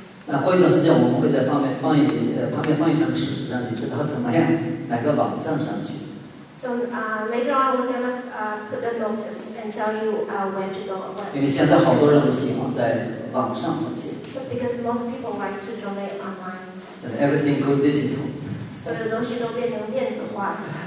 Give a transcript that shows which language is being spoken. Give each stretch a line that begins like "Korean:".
Chinese: 那过一段时间我们会在旁边放一张纸，让你知道怎么样哪个网站上去。
English: So later on, we're gonna put a notice and tell you when to go online.
Chinese: 因为现在好多人都喜欢在网上奉献。
English: So because most people like to donate online. Everything goes digital.
Chinese: 所有东西都变成电子化。